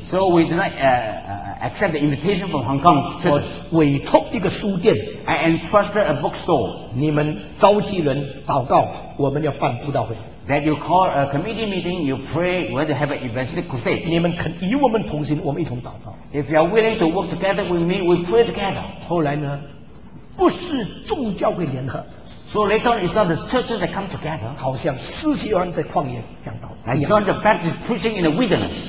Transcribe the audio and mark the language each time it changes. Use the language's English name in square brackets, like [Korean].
[English] So we did not accept the invitation from Hong Kong. [Chinese] 我委托一个书店。 [English] I entrusted a bookstore. [Chinese] 你们召集人祷告，我们要办布道会。 [English] That you call a committee meeting, you pray, we want to have an evangelistic crusade. [Chinese] 你们肯与我们同行，我们一同祷告。 [English] If you are willing to work together with me, we pray together. [Chinese] 后来呢？不是众教会联合。 [English] So later on, it's not the churches that come together. [Chinese] 好像施洗约翰在旷野讲道。 [English] And John the Baptist preaching in the wilderness.